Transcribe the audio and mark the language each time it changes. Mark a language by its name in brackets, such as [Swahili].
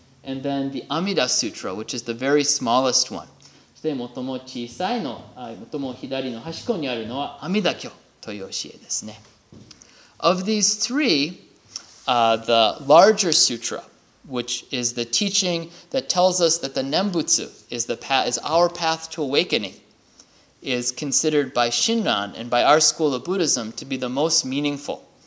[English] And then the Amida Sutra, which is the very smallest one. [Japanese] で最も小さいの、最も左の端っこにあるのは阿弥陀経という教えですね。 [English] Of these three, the larger sutra, which is the teaching that tells us that the Nembutsu is the path, is our path to awakening, is considered by Shinran and by our school of Buddhism to be the most meaningful.